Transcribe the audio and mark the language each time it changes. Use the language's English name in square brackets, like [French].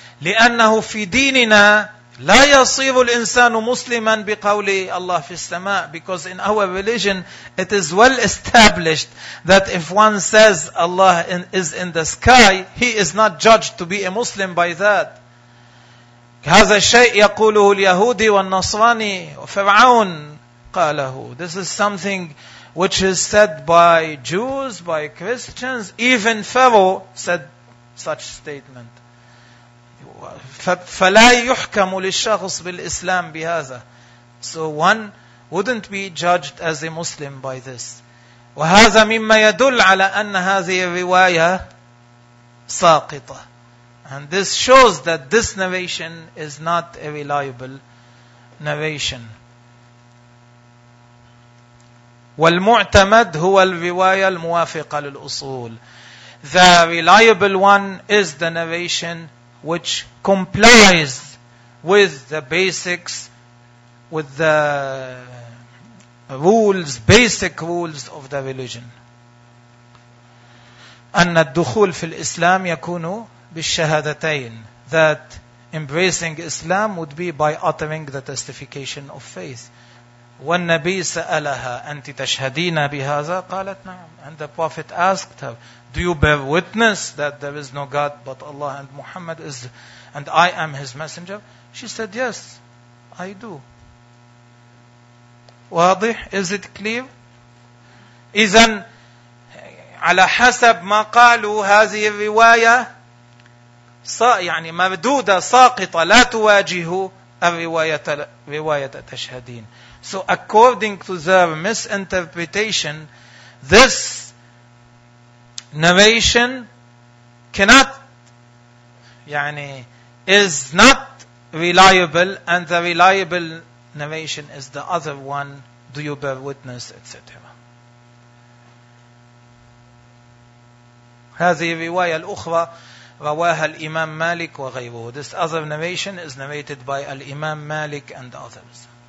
[Arabic] لأنه في ديننا لا يصير الإنسان مسلما بقول الله في السماء, [English] because in our religion it is well established that if one says Allah is in the sky, he is not judged to be a Muslim by that. [Arabic] هذا الشيء يقوله اليهودي والنصراني وفرعون قاله. [English] This is something which is said by Jews, by Christians, even Pharaoh said such statement. [Arabic] فلا يحكم للشخص بالإسلام بهذا. [English] So one wouldn't be judged as a Muslim by this. [Arabic] وهذا مما يدل على أن هذه الرواية ساقطة. [English] And this shows that this narration is not a reliable narration. [Arabic] والمعتمد هو الرواية الموافقة للأصول. [English] The reliable one is the narration which complies with the basics, with the rules, basic rules of the religion. [Arabic] أن الدخول في الإسلام يكون بالشهادتين. [English] That embracing Islam would be by uttering the testification of faith. [Arabic] والنبي سألها أنت تشهدين بهذا؟ قالت نعم. [English] And the Prophet asked her, do you bear witness that there is no God but Allah and Muhammad is and I am his messenger? She said, yes, I do. [Arabic] واضح؟ [English] Is it clear? [Arabic] إذن على حسب ما قالوا هذه الرواية يعني مردودة ساقطة لا تواجه الرواية تشهدين. [English] So according to their misinterpretation, this narration cannot, [Arabic] يعني [English] is not reliable, and the reliable narration is the other one. Do you bear witness, etc. [Arabic] هذه الرواية الأخرى رواها الإمام مالك وغيره. [English] This other narration is narrated by الإمام مالك and others.